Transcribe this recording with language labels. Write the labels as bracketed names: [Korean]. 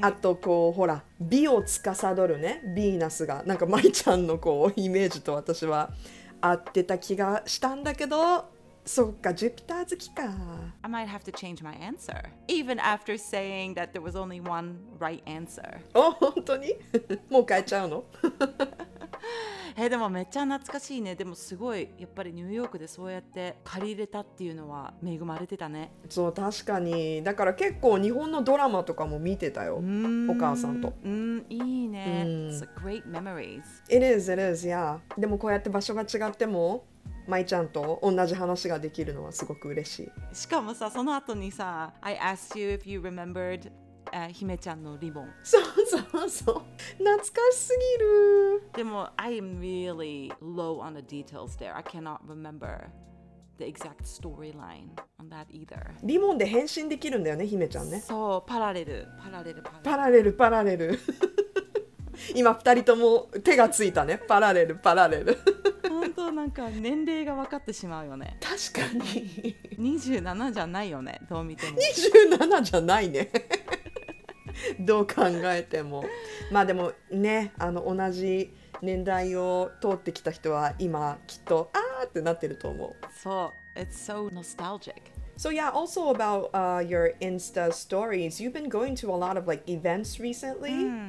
[Japanese] あとこうほら、美を司るね、ヴィーナスが、なんかマイちゃんのこうイメージと私は合ってた気がしたんだけど、そっか、ジュピター好きか。 [English] I might have to change my answer, even after saying that there was only one right answer. [Japanese] お、本当に？もう変えちゃうの？え、でもめっちゃ懐かしいね。でもすごい、やっぱりニューヨークでそうやって借り入れたっていうのは恵まれてたね。そう、確かに。だから結構日本のドラマとかも見てたよ、お母さんと。うん、いいね。 [English] It's a great memories. It is, it is, yeah. [Japanese] でもこうやって場所が違ってもまいちゃんと同じ話ができるのはすごく嬉しい。しかもさ、その後にさ、 [English] I asked you if you remembered [Japanese] 姫ちゃんのリボン。そうそうそう、懐かしすぎる。でも [English] I am really low on the details there. I cannot remember the exact storyline on that either. [Japanese] リボンで変身できるんだよね、姫ちゃんね。そう、パラレル、パラレル、パラレル、パラレル。今二人とも手がついたね。パラレル、パラレル。本当なんか年齢が分かってしまうよね。確かに。 27じゃないよね、どう見ても。 27じゃないね。どう考えても。まあでもね、あの同じ年代を通ってきた人は今きっとあーってなってると思う。そう、 [English] It's so nostalgic. So yeah, also about your Insta stories, you've been going to a lot of like events recently.